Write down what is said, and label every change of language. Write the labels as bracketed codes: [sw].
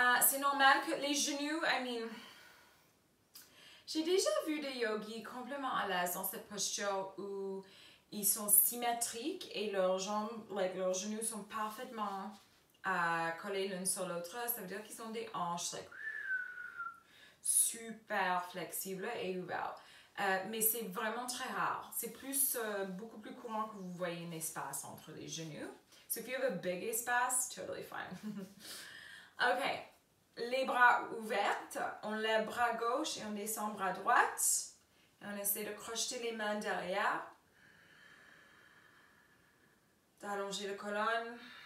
[fr] C'est normal que les genoux, j'ai déjà vu des yogis complètement à l'aise dans cette posture où ils sont symétriques et leurs jambes, leurs genoux sont parfaitement collés l'un sur l'autre. Ça veut dire qu'ils ont des hanches, super flexible et ouvert. Mais c'est vraiment très rare. C'est beaucoup plus courant que vous voyez un espace entre les genoux. [en] So if you have a big espace, totally fine. [fr] OK. Les bras ouverts. On lève bras gauche et on descend bras droit. Et on essaie de crocheter les mains derrière. D'allonger la colonne.